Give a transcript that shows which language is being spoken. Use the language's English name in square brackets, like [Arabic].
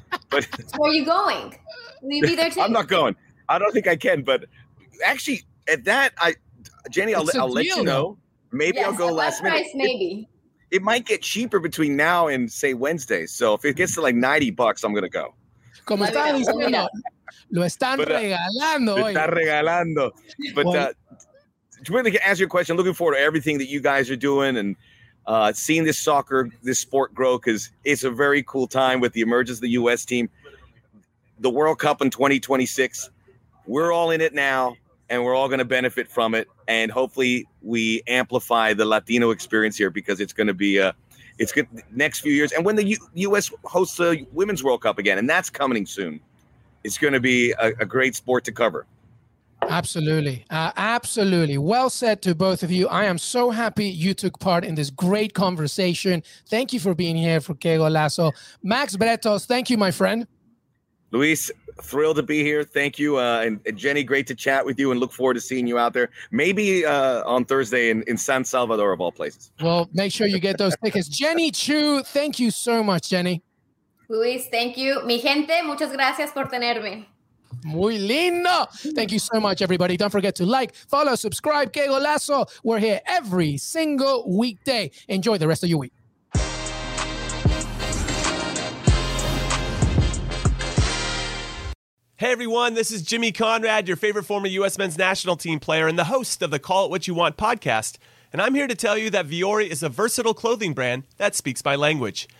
[English] But so are you going? Will you be there too? I'm not going. I don't think I can. But actually, at that, Jenny, I'll let you know. Maybe I'll go last minute. Price, maybe. It might get cheaper between now and, say, Wednesday. So if it gets to like $90, I'm going to go. [Spanish] Como está diciendo, lo están regalando. Está regalando. [English] But to really answer your question, looking forward to everything that you guys are doing and seeing this sport grow, because it's a very cool time with the emergence of the U.S. team. The World Cup in 2026, we're all in it now. And we're all going to benefit from it. And hopefully we amplify the Latino experience here, because it's going to be it's good next few years. And when the U.S. hosts the Women's World Cup again, and that's coming soon, it's going to be a great sport to cover. Absolutely. Absolutely. Well said to both of you. I am so happy you took part in this great conversation. Thank you for being here for Qué Golazo. Max Bretos, thank you, my friend. Luis, thrilled to be here. Thank you. And Jenny, great to chat with you, and look forward to seeing you out there. Maybe on Thursday in San Salvador, of all places. Well, make sure you get those tickets. Jenny Chu, thank you so much, Jenny. Luis, thank you. [Spanish] Mi gente, muchas gracias por tenerme. Muy lindo. [English] Thank you so much, everybody. Don't forget to like, follow, subscribe. Qué Golazo. We're here every single weekday. Enjoy the rest of your week. Hey everyone, this is Jimmy Conrad, your favorite former U.S. men's national team player and the host of the Call It What You Want podcast, and I'm here to tell you that Vuori is a versatile clothing brand that speaks my language.